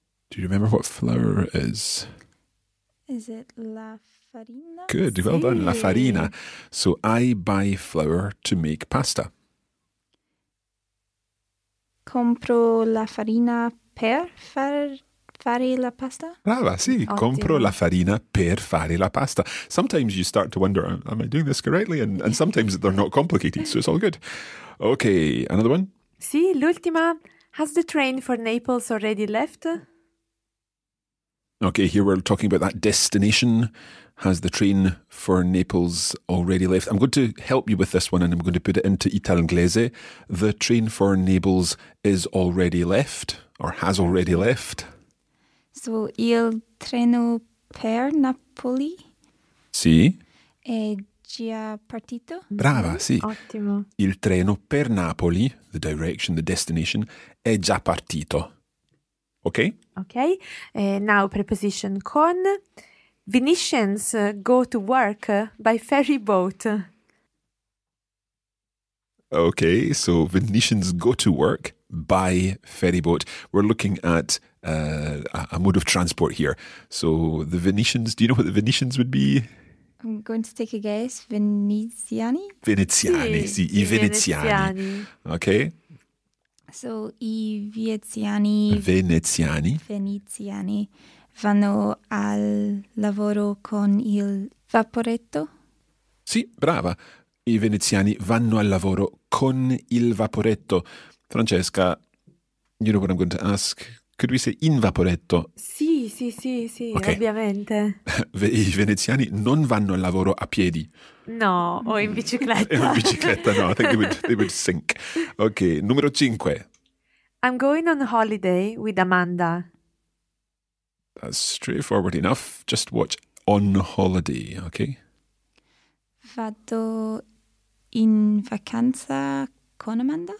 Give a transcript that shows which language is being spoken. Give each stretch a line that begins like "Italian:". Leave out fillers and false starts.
English: Do you remember what flour is? Is it la farina? Good, well done, la farina. So I buy flour to make pasta.
Italian: Compro la farina per fare la pasta? Brava, sì. Ottimo. Compro la farina per fare la pasta.
English: Sometimes you start to wonder, am I doing this correctly? And sometimes they're not complicated, so it's all good. Okay, another one.
Italian: Sì, l'ultima.
English: Has the train for Naples already left? Okay, here we're talking about that destination. Has the train for Naples already left? I'm going to help you with this one and I'm going to put it into Italianglese. The train for Naples is already left. or has already left.
Italian: So, il treno per Napoli. Sì. È già partito. Brava, sì. Ottimo. Il treno per Napoli, the direction, the destination, è già partito. Ok?
English: Ok. Now, preposition con. Venetians go to work by ferry boat. Ok, so Venetians go to work by ferry boat. We're looking at a mode of transport here. So the Venetians, do you know what the Venetians would be? I'm going to take a guess. Veneziani?
Italian: Veneziani, sì, I Veneziani. Ok. So I Veneziani. Veneziani. Veneziani. Vanno al lavoro con il vaporetto? Sì, brava. I veneziani vanno al lavoro con il vaporetto.
English: Francesca, you know what I'm going to ask? Could we say in vaporetto?
Italian: Sì, sì, sì, sì, okay. Ovviamente. I veneziani non vanno al lavoro a piedi. No, o in bicicletta.
English: In bicicletta, no. I think they would sink.
Italian: Ok, numero 5.
English: I'm going on holiday with Amanda. That's straightforward enough. Just watch on holiday, okay?
Italian: Vado in vacanza con Amanda?